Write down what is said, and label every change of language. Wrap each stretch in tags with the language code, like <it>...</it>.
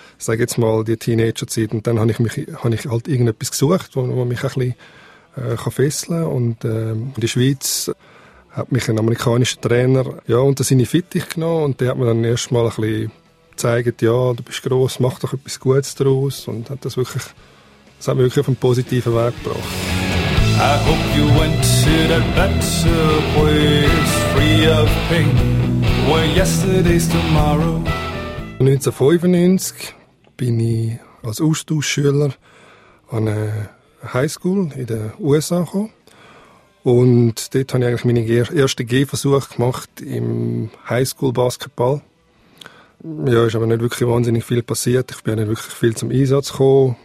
<de>Sag jetzt mal, die Teenager-Zeit. Und dann habe ich halt irgendetwas gesucht, wo man mich ein bisschen fesseln kann. Und in der Schweiz hat mich ein amerikanischer Trainer ja, unter seine Fittich genommen. Und der hat mir dann erst mal ein bisschen gezeigt, ja, du bist gross, mach doch etwas Gutes daraus. Und hat das wirklich... Das hat mich wirklich auf einen positiven Weg gebracht.</de> <en>I hope you went to that better place, free of pain, where yesterday's tomorrow.</en> <de>1995 bin ich als Austauschschüler an einer Highschool in den USA gekommen. Und dort habe ich eigentlich meinen ersten Gehversuch gemacht im Highschool-Basketball. Ja, ist aber nicht wirklich wahnsinnig viel passiert. Ich bin nicht wirklich viel zum Einsatz gekommen.</de>